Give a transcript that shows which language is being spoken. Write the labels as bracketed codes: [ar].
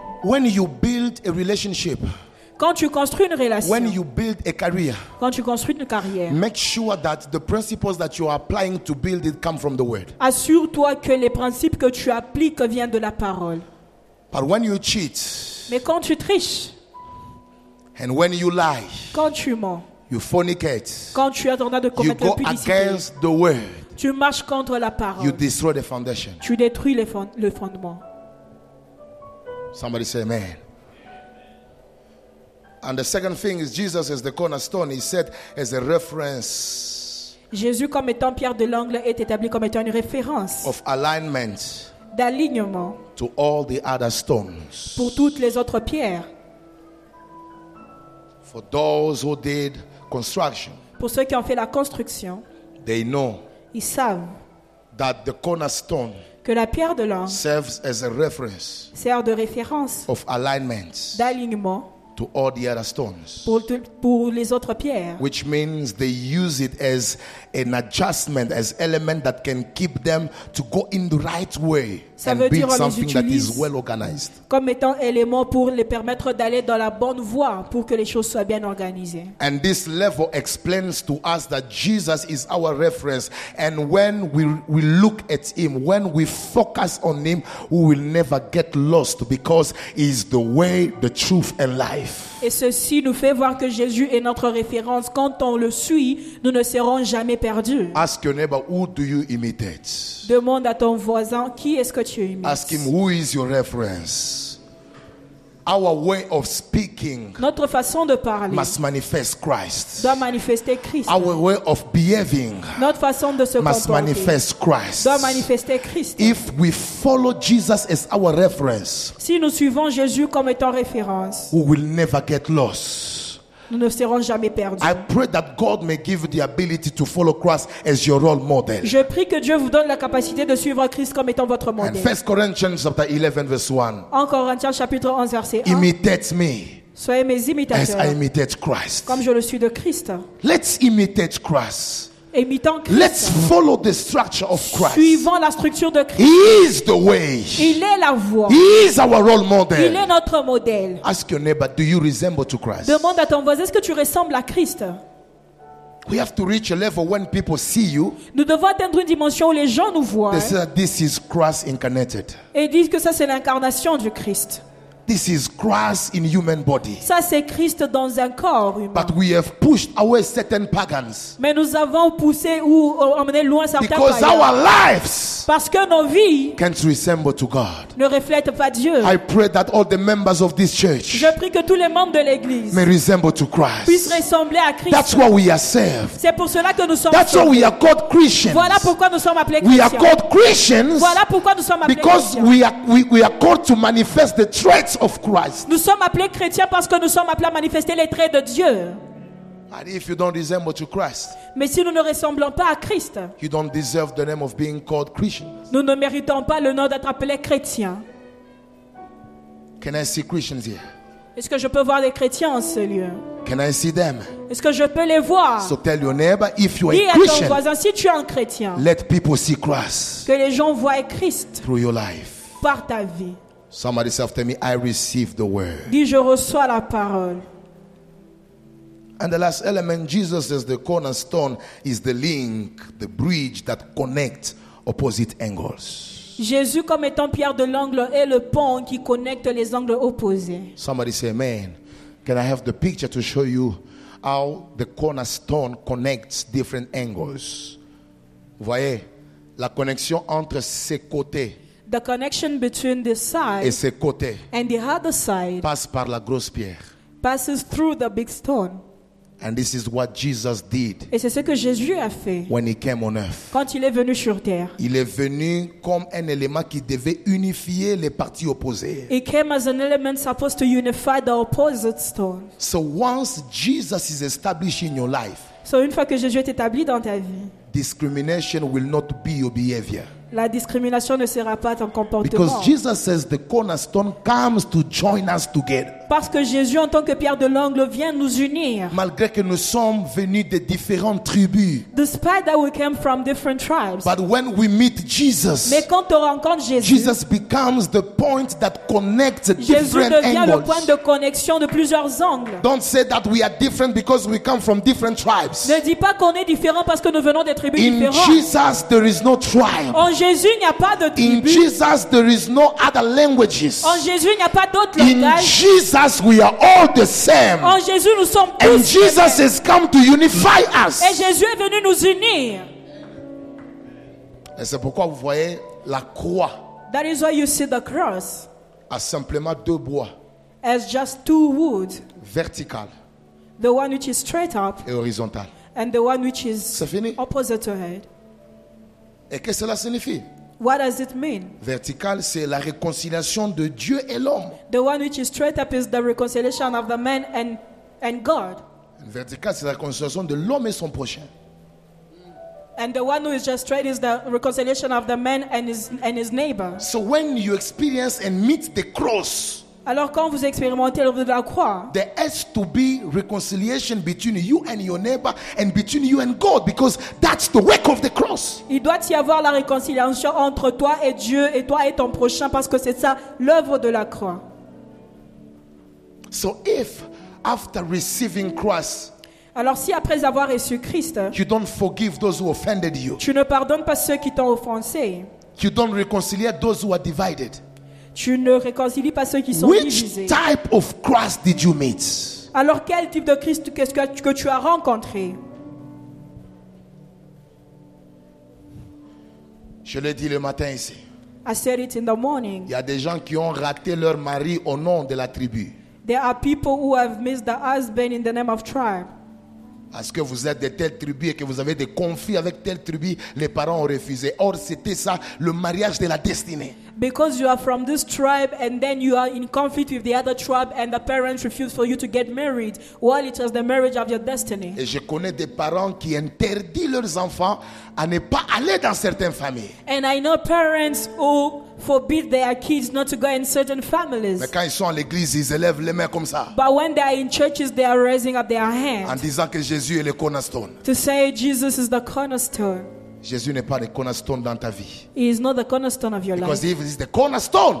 [en] When you build a relationship, [fr] quand tu construis une relation, [en] when you build a career, [fr] quand tu construis une carrière, [en] make sure that the principles that you are applying to build it come from the word. [fr] Assure-toi que les principes que tu appliques viennent de la parole. [en] But when you cheat, [fr] mais quand tu triches, [en] and when you lie, [fr] quand tu mens, [en] you fornicate, [fr] quand tu es en train de commettre l'impudicité, [en] you go against the word, [fr] tu marches contre la parole, [en] you destroy the foundation, [fr] tu détruis le fondement. [en] Somebody say amen. And the second thing is Jesus as the cornerstone. He said as a reference. [fr] Jésus comme étant pierre de l'angle est établi comme étant une référence. [en] Of alignment. [fr] D'alignement. [en] To all the other stones. [fr] Pour toutes les autres pierres. [en] For those who did construction. [fr] Pour ceux qui ont fait la construction. [en] They know. [fr] Ils savent. [en] That the cornerstone. [fr] Que la pierre de l'angle. [en] Serves as a reference. [fr] Sert de référence. [en] Of alignment. [fr] D'alignement. [en] To all the other stones. [fr] Pour les autres pierres. [en] Which means they use it as an adjustment, as element that can keep them to go in the right way. [fr] Ça veut [en] and build [fr] dire, [en] something [fr] les utilise [en] that is well organized. [fr] Comme étant élément pour les permettre d'aller dans la bonne voie pour que les choses soient bien organisées. [en] And this level explains to us that Jesus is our reference. And when we look at him, when we focus on him, we will never get lost because he is the way, the truth and life. [fr] Et ceci nous fait voir que Jésus est notre référence. Quand on le suit, nous ne serons jamais perdus. [en] Ask your neighbor, who do you imitate? [fr] Demande à ton voisin, qui est-ce que tu imites? [en] Ask him, who is your reference? Our way of speaking, [fr] notre façon de parler, [en] must manifest Christ. [fr] Doit manifester Christ. [en] Our way of behaving, [fr] notre façon de se [en] must [fr] comporter, [en] manifest Christ. [fr] Doit manifester Christ. [en] If we follow Jesus as our reference, [fr] si nous suivons Jésus comme étant référence, [en] we will never get lost. [fr] Nous ne serons jamais perdus. [en] I pray that God may give the ability to follow Christ as your role model. [fr] Je prie que Dieu vous donne la capacité de suivre Christ comme étant votre modèle. [en] And 1 Corinthians chapter 11 verse 1. [fr] En Corinthiens chapitre 11 verset 1. [en] Imitate me. [fr] Soyez mes imitateurs. [en] As I imitate Christ. [fr] Comme je le suis de Christ. [en] Let's imitate Christ. [fr] Imitant Christ. [en] Let's follow the structure of Christ. [fr] Suivant la structure de Christ. [en] He is the way. [fr] Il est la voie. [en] He is our role model. [fr] Il est notre modèle. [en] Ask your neighbor, do you resemble to Christ? [fr] Demande à ton voisin, est-ce que tu ressembles à Christ? [en] We have to reach a level when people see you. [fr] Nous devons atteindre une dimension où les gens nous voient. [en] They say that this is Christ incarnated. [fr] Et disent que ça c'est l'incarnation du Christ. [en] This is Christ in human body. [fr] Ça, c'est Christ dans un corps humain. [en] But we have pushed away certain pagans. [fr] Mais nous avons poussé ou emmené loin certains [en] pagans. Because our lives, [fr] parce que nos vies, [en] can't resemble to God. [fr] Ne reflètent pas Dieu. [en] I pray that all the members of this church, [fr] je prie que tous les membres de l'église, [en] may resemble to Christ. [fr] Puissent ressembler à Christ. [en] That's why we are saved. [fr] C'est pour cela que nous sommes. [en] That's why we are called Christians. [fr] Voilà pourquoi nous sommes appelés [en] we [fr] chrétiens. [en] We are called Christians. [fr] Voilà pourquoi nous sommes appelés [en] because [fr] chrétiens. [en] Because we are called to manifest the traits of Christ. [fr] Nous sommes appelés chrétiens parce que nous sommes appelés à manifester les traits de Dieu. [en] And if you don't resemble to Christ, [fr] mais si nous ne ressemblons pas à Christ, [en] you don't deserve the name of being called Christians. [fr] Nous ne méritons pas le nom d'être appelés chrétiens. [en] Can I see Christians here? [fr] Est-ce que je peux voir des chrétiens en ce lieu? [en] Can I see them? [fr] Est-ce que je peux les voir? [en] So tell your neighbor, if you are [fr] dis [en] a Christian, [fr] à ton voisin, si tu es un chrétien, [en] let people see Christ, [fr] que les gens voient Christ [en] through your life, [fr] par ta vie. [en] Somebody say after me, I receive the word. [fr] Dis, je reçois la parole. [en] And the last element, Jesus as the cornerstone, is the link, the bridge that connects opposite angles. [fr] Jésus comme étant pierre de l'angle est le pont qui connecte les angles opposés. [en] Somebody say amen. Can I have the picture to show you how the cornerstone connects different angles? [fr] Vous voyez, la connexion entre ces côtés. [en] The connection between the side [fr] et ses côtés [en] and the other side [fr] passe par la grosse pierre. [en] Passes through the big stone. And this is what Jesus did. [fr] Et c'est ce que Jésus a fait. [en] When he came on earth. [fr] Quand il est venu sur terre. Il est venu comme un élément qui devait unifier les parties opposées. [en] He came as an element supposed to unify the opposite stone. So once Jesus is established in your life. [fr] So une fois que Jésus est établi dans ta vie. [en] Discrimination will not be your behavior. [fr] La discrimination ne sera pas ton comportement. [en] Because Jesus says the cornerstone comes to join us together. [fr] Parce que Jésus en tant que pierre de l'angle vient nous unir. Malgré que nous sommes venus de différentes tribus. [en] Despite that we came from different tribes. But when we meet Jesus. [fr] Mais quand on rencontre Jésus. [en] Jesus becomes the point that connects [fr] Jésus [en] different angles. [fr] Jésus devient le point de connexion de plusieurs angles. [en] Don't say that we are different because we come from different tribes. [fr] Ne dis pas qu'on est différent parce que nous venons des tribus [en] in [fr] différentes. [en] In Jesus there is no tribe. [fr] En Jésus il n'y a pas de tribu. [en] In Jesus there is no other languages. [fr] En Jésus il n'y a pas d'autres langages. [en] Jesus, we are all the same. [fr] En Jésus, nous sommes tous [en] and Jesus has come to unify us. [fr] Et Jésus est venu nous unir. Et c'est pourquoi vous voyez la croix. [en] That is why you see the cross. [fr] A simplement deux bois. [en] As just two wood. [fr] Vertical. [en] The one which is straight up. [fr] Et horizontal. [en] And the one which is [fr] c'est fini. [en] Opposite to head. [fr] Et que cela signifie? [en] What does it mean? [fr] Vertical, c'est la réconciliation de Dieu et l'homme. [en] The one which is straight up is the reconciliation of the man and God. [fr] Vertical, c'est la réconciliation de l'homme et son prochain. [en] And the one who is just straight is the reconciliation of the man and his neighbor. So when you experience and meet the cross, [fr] alors quand vous expérimentez l'œuvre de la croix, [en] there has to be reconciliation between you and your neighbor and between you and God because that's the work of the cross. [fr] Il doit y avoir la réconciliation entre toi et Dieu et toi et ton prochain parce que c'est ça l'œuvre de la croix. [en] So if after receiving Christ, [fr] alors si après avoir reçu Christ, [en] you don't forgive those who offended you, [fr] tu ne pardonnes pas ceux qui t'ont offensé, [en] you don't reconcile those who are divided, [fr] tu ne réconcilies pas ceux qui sont [en] which [fr] divisés. [en] Type of Christ did you meet? [fr] Alors quel type de Christ qu'est-ce que tu as rencontré? Je l'ai dit le matin ici. [en] I said it in the morning. [fr] Il y a des gens qui ont raté leur mari au nom de la tribu. [en] There are people who have missed their husband in the name of tribe. [fr] Est-ce que vous êtes de telle tribu et que vous avez des conflits avec telle tribu, les parents ont refusé. Or, c'était ça, le mariage de la destinée. [en] Because you are from this tribe and then you are in conflict with the other tribe and the parents refuse for you to get married while it was the marriage of your destiny. [fr] Et je connais des parents qui interdisent leurs enfants à ne pas aller dans certaines familles. [en] And I know parents who forbid their kids not to go in certain families. [fr] Mais quand ils sont à l'église, ils élèvent les mains comme ça. [en] But when they are in churches, they are raising up their hands. [fr] En disant que Jésus est le cornerstone. [en] To say Jesus is the cornerstone. [fr] Jésus n'est pas le cornerstone dans ta vie. [en] He is not the cornerstone of your because life. Because if he is the cornerstone.